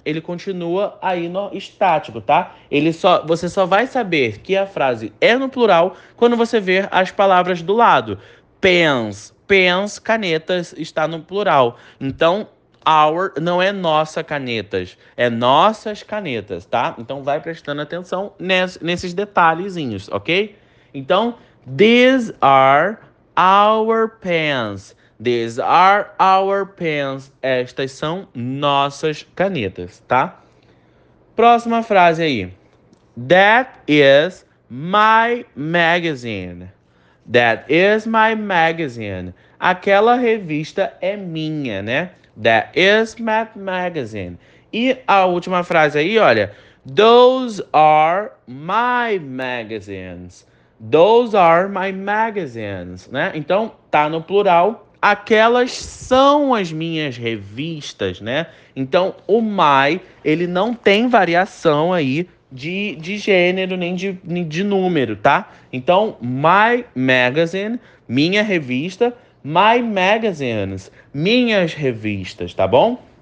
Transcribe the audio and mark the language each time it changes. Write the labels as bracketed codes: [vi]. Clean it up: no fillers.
[pt] Ele continua aí no estático, tá? Você só vai saber que a frase é no plural quando você ver as palavras do lado. Pens, canetas, está no plural. Então, our não é nossa canetas, é nossas canetas, tá? Então vai prestando atenção nesses detalhezinhos, ok? [en] Então, these are our pens. These are our pens. [pt] Estas são nossas canetas, tá? Próxima frase aí. [en] That is my magazine. That is my magazine. [pt] Aquela revista é minha, né? [en] That is my magazine. [pt] E a última frase aí, olha. [en] Those are my magazines. Those are my magazines, né? [pt] Então, tá no plural, aquelas são as minhas revistas, né? Então, o Mai, ele não tem variação aí de gênero nem de número, tá? Então, My Magazine, minha revista, My Magazines, minhas revistas, tá bom?